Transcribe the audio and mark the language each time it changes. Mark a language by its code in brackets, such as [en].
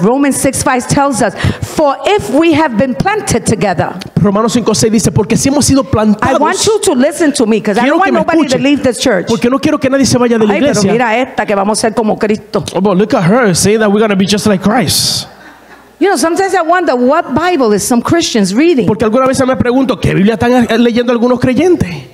[en] Romans 6:5 tells us, for if we have been planted together. [es] Romanos 5:6 dice, porque si hemos sido plantados. [en] I want you to listen to me because I don't want nobody [es] escuche, [en] to leave this church. [es] Porque no quiero que nadie se vaya de la iglesia. Ay, pero mira esta que vamos a ser como Cristo. [en] Oh, but look at her, say that we're going to be just like Christ. You know, sometimes I wonder what Bible is some Christians reading. [es] Porque alguna vez me pregunto qué Biblia están leyendo algunos creyentes.